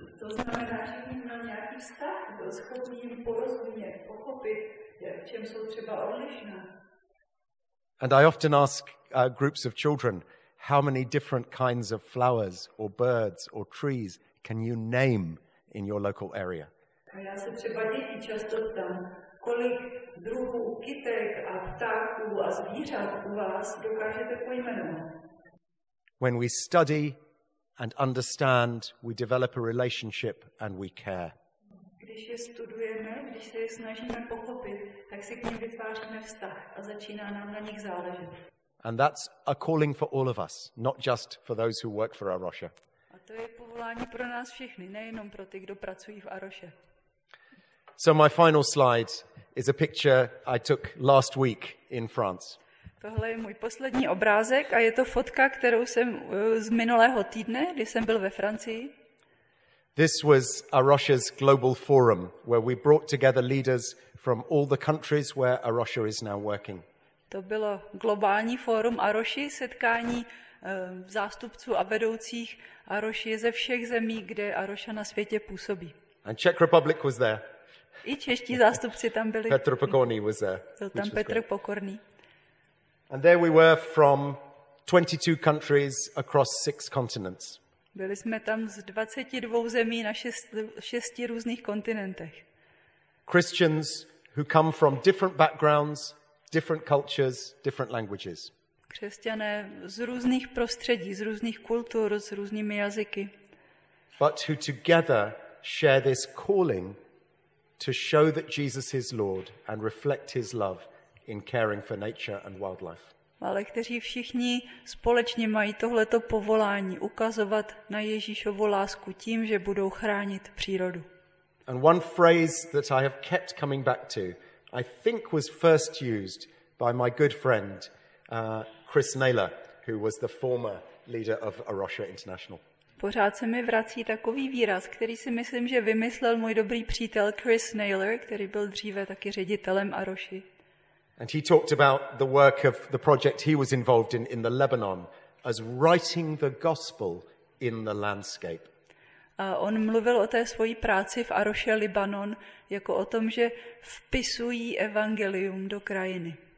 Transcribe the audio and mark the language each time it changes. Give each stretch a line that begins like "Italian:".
Czech: znamená, že jim mám nějaký vztah, schopný jim porozumět, pochopit, v čem jsou třeba odlišná.
English: And I often ask groups of children, how many different kinds of flowers or birds or trees can you name in your local area?
Czech: A já se třeba děti často ptám, kolik druhů kytek a ptáků a zvířat u vás dokážete pojmenovat?
English: When we study and understand, we develop a relationship and we care.
Czech: Když je studujeme, když se je snažíme pochopit, tak si k ním vytváříme vztah a začíná nám na nich záležet.
English: And that's a calling for all of us, not just for those who work for Arosha.
Czech: A to je povolání pro nás všechny, nejenom pro ty, kdo pracují v Arosha.
English: So my final slide is a picture I took last week in France.
Czech: Tohle je můj poslední obrázek a je to fotka, kterou jsem z minulého týdne, kdy jsem byl ve Francii.
English: This was Arosha's global forum where we brought together leaders from all the countries where Arosha is now working.
Czech: To bylo globální fórum Aroši, setkání zástupců a vedoucích Aroši ze všech zemí, kde Aroša na světě působí.
English: And Czech Republic was there.
Czech: I čeští zástupci tam byli.
English: Petr Pokorný was there.
Czech: Byl tam Petr Pokorný.
English: And there we were from 22 countries across 6 continents.
Czech: Byli jsme tam z 22 zemí na 6 různých kontinentech.
English: Christians who come from different backgrounds, different cultures, different languages.
Czech: Křesťané z různých prostředí, z různých kultur, s různými jazyky.
English: But who together share this calling to show that Jesus is Lord and reflect his love in caring for nature and wildlife.
Czech: Ale kteří všichni společně mají tohleto povolání ukazovat na Ježíšovu lásku tím, že budou chránit přírodu.
English: And one phrase that I have kept coming back to, I think was first used by my good friend Chris Naylor, who was the former leader of Arosha International.
Czech: Pořád se mi vrací takový výraz, který si myslím, že vymyslel můj dobrý přítel Chris Naylor, který byl dříve taky ředitelem Aroši.
English: And he talked about the work of the project he was involved in the Lebanon as writing the gospel in the landscape.
Czech: A on mluvil o té svojí práci v Aroše Libanon jako o tom, že vpisují evangelium do krajiny.